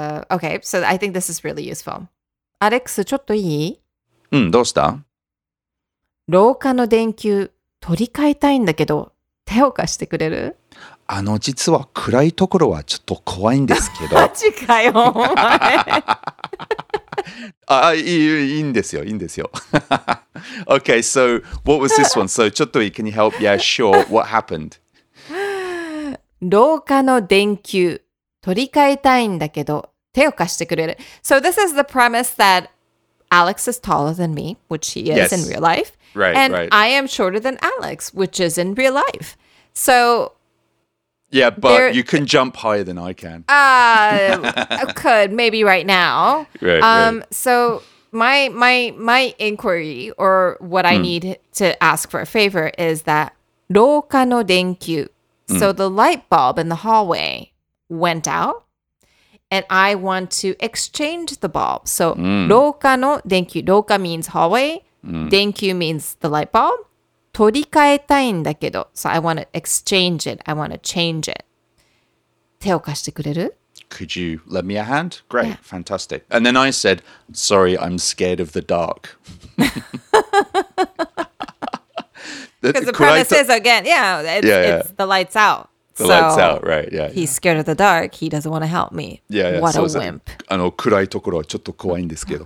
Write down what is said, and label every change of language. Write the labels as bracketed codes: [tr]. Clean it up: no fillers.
[en] Okay, so I think this is really useful. [ja] Alex, ちょっといい？どうした？廊下の電球取り替えたいんだけど、手を貸してくれる？実は暗いところはちょっと怖いんですけど。マジかよ、お前。いいんですよ。 [en] Okay, so what was this one? So, [ja] ちょっといい? [en] Can you help? Yeah, sure. What happened? [ja] 廊下の電球取り替えたいんだけど、手を貸してくれる。 [en] So, this is the premise that Alex is taller than me, which he is in real life. Right, and right. I am shorter than Alex, which is in real life. So, yeah, but you can jump higher than I can. I could, maybe right now. Right, right. So my inquiry, or what I need to ask for a favor, is that [ja] 廊下の電球. [en] So the light bulb in the hallway went out, and I want to exchange the bulb. So [ja] 廊下の電球, [en] 廊下 means hallway, 電球 means the light bulb. [ja] 取り替えたいんだけど。 [en] So I want to exchange it. I want to change it. [ja] 手を貸してくれる? [en] Could you lend me a hand? Great. Yeah. Fantastic. And then I said, sorry, I'm scared of the dark. Because the premise is, again, it's the lights out. The lights out, right. Yeah, he's scared of the dark. He doesn't want to help me. Yeah. What a wimp. [ja] 暗いところはちょっと怖いんですけど。